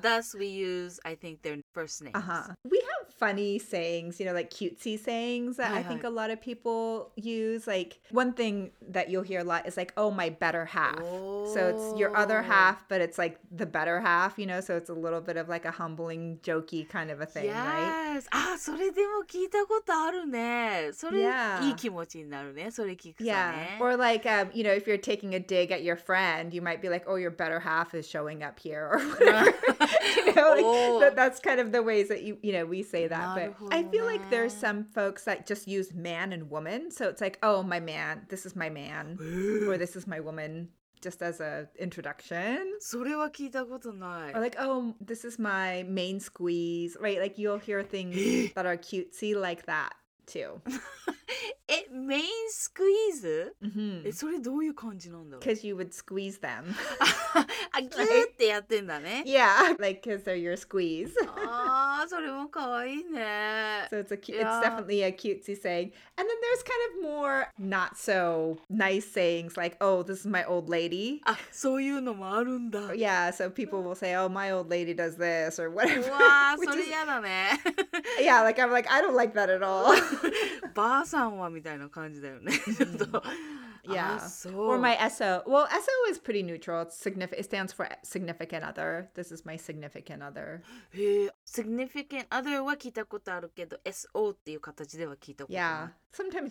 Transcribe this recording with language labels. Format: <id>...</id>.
<en>Thus, we use, I think, their first names. We have funny sayings, you know, like cutesy sayings that I think a lot of people use. Like, one thing that you'll hear a lot is like, oh, my better half. So it's your other half, but it's like the better half, you know? So it's a little bit of like a humbling, jokey kind of a thing, yes. right? Yes.</en> <ja>それでも聞いたことあるね。それ、いい気持ちになるね。それ聞くとね。</ja> <en>Yeah. Or like,you know, if you're taking a dig at your friend, you might be like, oh, your better half is showing up here or whatever. you know, like, that's kind of the ways that, you know, we say that. But I feel like there's some folks that just use man and woman. So it's like, oh, my man, this is my man or this is my woman. Just as an introduction.</en> <ja>それは聞いたことない。</ja> <en>Or like, oh, this is my main squeeze. Right. Like you'll hear things that are cutesy like that. Too. It main squeeze? Mm-hmm.</en> <ja>それどういう感じなんだろう?</ja> <en>Because you would squeeze them.</en> <ja>ぎゅってやってんだね。</ja> <en>Yeah, like because they're your squeeze.</en> <ja>あー、それもかわいいね。</ja> <en>So it's definitely a cutesy saying. And then there's kind of more not so nice sayings like, oh, this is my old lady.</en> <ja>あ、そういうのもあるんだ。</ja> <en>Yeah, so people will say, oh, my old lady does this or whatever.</en> <ja>うわー、それ嫌だね。</ja> <en>Yeah, like I'm like, I don't like that at all.</en> <ja>ばあさんはみたいな感じだよね。</ja> <en>Yeah. Or my SO. Well, SO is pretty neutral. It stands for significant other. This is my significant other.</en> <ja>Significant other は聞いたことあるけど、SO っていう形では聞いたことない。</ja>